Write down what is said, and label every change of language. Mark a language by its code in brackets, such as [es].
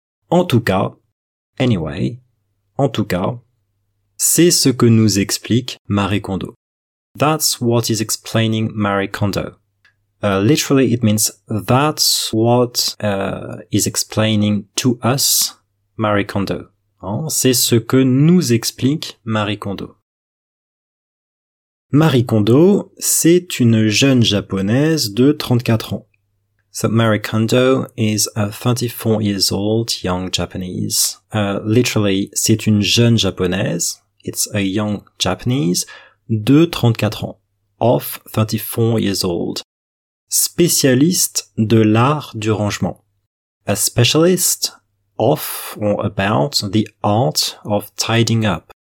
[fr] En tout cas, [en] anyway, [fr] en tout cas, c'est ce que nous explique Marie Kondo. [en] That's what is explaining Marie Kondo. Literally, it means that's what is explaining to us Marie Kondo. [fr] Hein? C'est ce que nous explique Marie Kondo. Marie Kondo, c'est une jeune japonaise de 34 ans. [en] So Marie Kondo is a 34 years old young Japanese. Literally, [fr] c'est une jeune japonaise. [en] It's a young Japanese [fr] de 34 ans, [en] of 34 years old. [fr] Spécialiste de l'art du rangement. [en] A specialist of or about the art of tidying up.